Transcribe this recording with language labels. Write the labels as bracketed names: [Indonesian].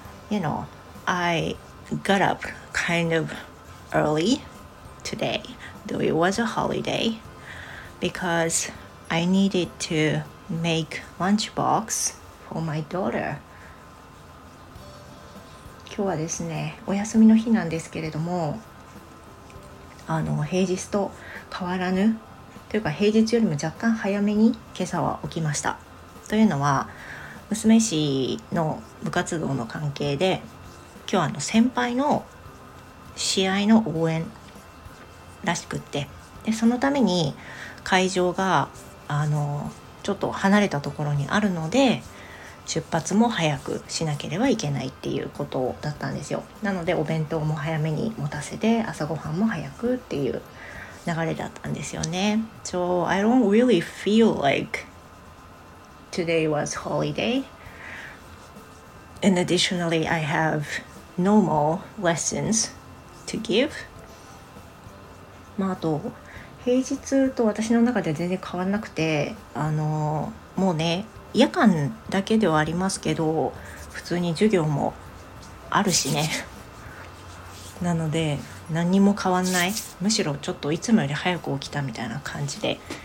[English] You know, I got up kind of early today, though it was a holiday. Because I needed to make lunchbox for my daughter. [Japanese] 今日はですね、お休みの日なんですけれども、平日と変わらぬ、というか平日よりも若干早めに今朝は起きました。というのは、娘氏の部活動の関係で、今日は先輩の試合の応援らしくって、でそのために、会場がちょっと離れたところにあるので出発も早くしなければいけないっていうことだったんですよ。なのでお弁当も早めに持たせて朝ごはんも早くっていう流れだったんですよね。 [English] So I don't really feel like today was holiday. And additionally I have no more lessons to give. [Japanese] まああと平日と私の中で全然変わらなくて、もうね、夜間だけではありますけど、普通に授業もあるしね。なので、何にも変わんない。むしろちょっといつもより早く起きたみたいな感じで。